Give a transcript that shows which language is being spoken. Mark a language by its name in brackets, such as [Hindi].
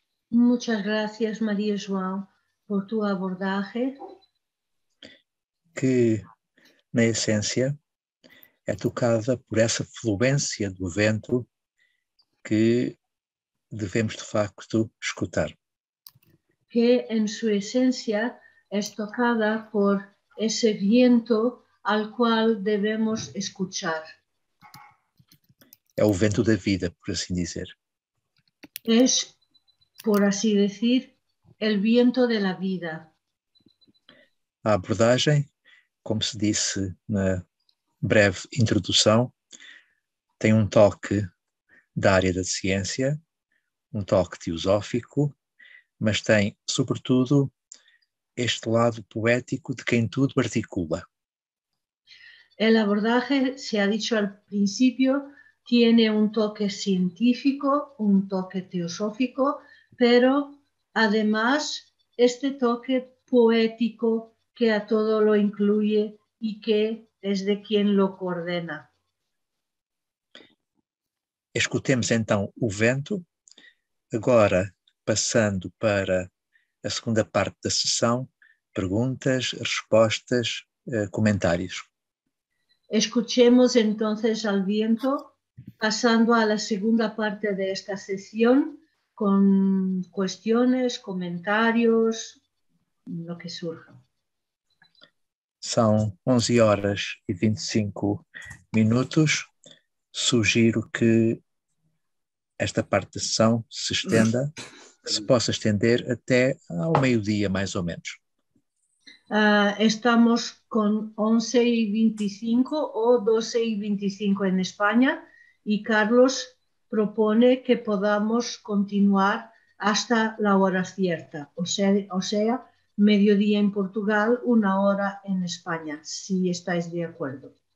[Spanish] Muchas gracias, María João, por tu abordaje. [Portuguese] Que, na essência, é tocada por essa fluência do vento que devemos, de facto, escutar. [Spanish] Que en su esencia es tocada por ese viento al cual debemos escuchar. [Portuguese] É o vento da vida, por assim dizer. [Spanish] Es, por así decir, el viento de la vida. [Portuguese] A abordagem, como se disse na breve introdução, tem um toque da área da ciência, um toque teosófico, mas tem, sobretudo, este lado poético de quem tudo articula. [Spanish] El abordaje, se ha dicho al principio, tiene un toque científico, un toque teosófico, pero además este toque poético que a todo lo incluye y que es de quien lo coordena. [Portuguese] Escutemos então o vento, agora passando para a segunda parte da sessão, perguntas, respostas, comentários. [Spanish] Escuchemos entonces al viento, pasando a la segunda parte de esta sesión, con cuestiones, comentarios, lo que surja. [Portuguese] São 11 horas e 25 minutos. Sugiro que esta parte da sessão se estenda, que se possa estender até ao meio-dia, mais ou menos. [Spanish] Estamos con 11 y 25 o 12 y 25 en España y Carlos propone que podamos continuar hasta la hora cierta, o sea, mediodía en Portugal, una hora en España, si estáis de acuerdo.